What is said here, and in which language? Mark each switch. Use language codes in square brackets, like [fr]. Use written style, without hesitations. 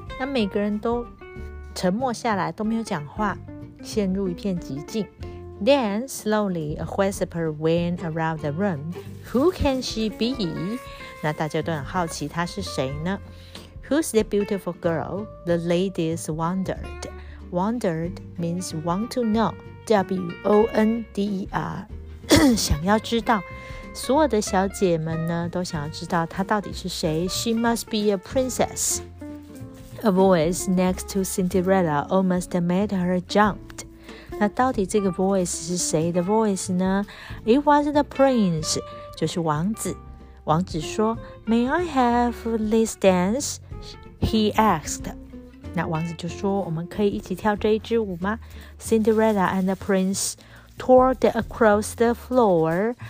[zh] 那每个人都沉默下来，都没有讲话，陷入一片寂静。 [en] Then slowly a whisper went around the room. Who can she be? [zh] 那大家都很好奇她是谁呢？ [en] Who's the beautiful girl? The ladies wondered. Wondered means want to know. [zh] W-O-N-D-E-R 想要知道，所有的小姐们呢都想要知道她到底是谁。 [en] She must be a princess. A voice next to Cinderella almost made her jump. [zh] 那到底这个 voice 是谁的 voice 呢？ [en] It was the prince, [zh] 就是王子。王子说， [en] May I have this dance? He asked. [zh] 那王子就说，我们可以一起跳这一支舞吗？ [en] Cinderella and the prince toured across the floor.